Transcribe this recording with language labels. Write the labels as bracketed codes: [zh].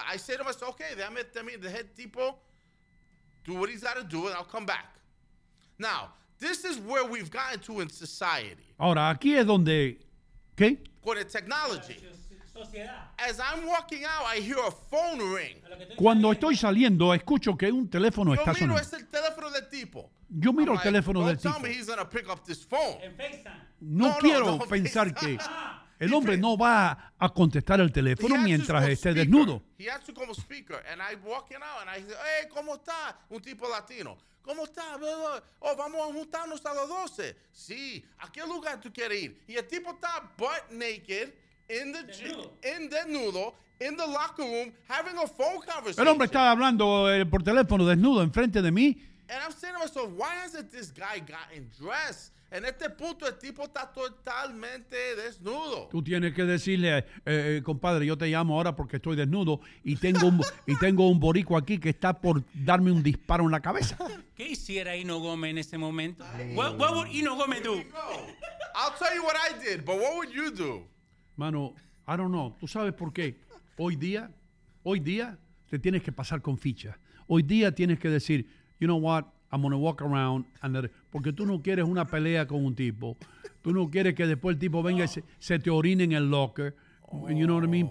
[en] I say to myself, okay, [es] déjame también, déjame tipo, [en] do what he's got to do, and I'll come back. Now, this is where we've gotten to in society. [es] Ahora, aquí es donde, ¿qué? Con la technology. [en] As I'm walking out, I hear a phone ring. [es] Cuando estoy saliendo, escucho que un teléfono está sonando. Yo miro el teléfono del tipo. Yo miro el teléfono del tipo. [en] Don't tell me he's going to pick up this phone. [es] No quiero pensar que el hombre no va a contestar el teléfono mientras esté desnudo. [en] He has to come speaker, and I'm walking out, and I say, hey, [es] ¿cómo está? Un tipo latino. ¿Cómo está? Oh, vamos a juntarnos a las 12. Sí, ¿a qué lugar tú quieres ir? Y el tipo está butt naked. [en] In the desnudo, in the locker room, having a phone conversation. [es] El hombre estaba hablando por teléfono desnudo enfrente de mí. [en] And I'm saying to myself, why hasn't this guy gotten dressed? [es] En este punto el tipo está totalmente desnudo. Tú tienes que decirle, compadre, yo te llamo ahora porque estoy desnudo y tengo un y tengo un borico aquí que está por darme un disparo en la cabeza. ¿Qué hiciera Ino Gomez en ese momento? [en] What would Ino Gomez do? I'll tell you what I did, but what would you do? [es] Mano, [en] I don't know. [es] ¿Tú sabes por qué? Hoy día, te tienes que pasar con ficha. Hoy día tienes que decir, [en] you know what, I'm going to walk around. [es] And porque tú no quieres una pelea con un tipo. Tú no quieres que después el tipo venga y se te orine en el locker. Oh. [en] You know what I mean?